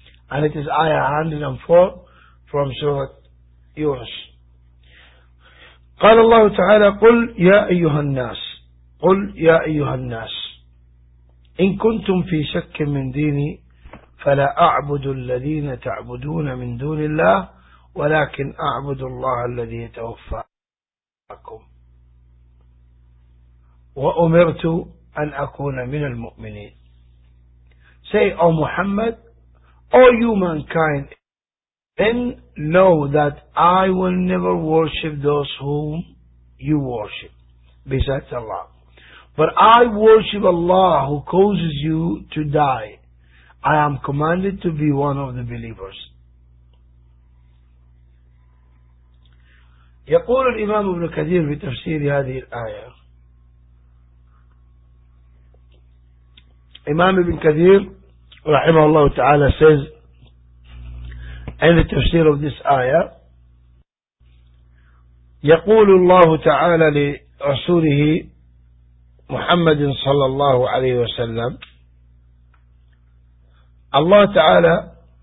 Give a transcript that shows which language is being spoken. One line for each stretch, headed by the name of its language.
English: And it is آية 104 from سورة يونس.
Arabic: قال الله تعالى قل يا أيها الناس قل يا أيها الناس إن كنتم في شك من ديني فلا أعبد الذين تعبدون من دون الله ولكن أعبد الله الذي يتوفاكم وأمرت أن أكون من المؤمنين.
English: Say, O Muhammad, O you mankind, then know that I will never worship those whom you worship besides Allah. But I worship Allah who causes you to die. I am commanded to be one of the believers.
Arabic: يقول الإمام ابن كثير في تفسير هذه الآية.
English: Imam Ibn Kathir,
Arabic: رحمه الله تعالى,
English: says in the tafsir of this ayah,
Arabic: يقول الله تعالى لرسوله محمد صلى الله عليه وسلم, الله تعالى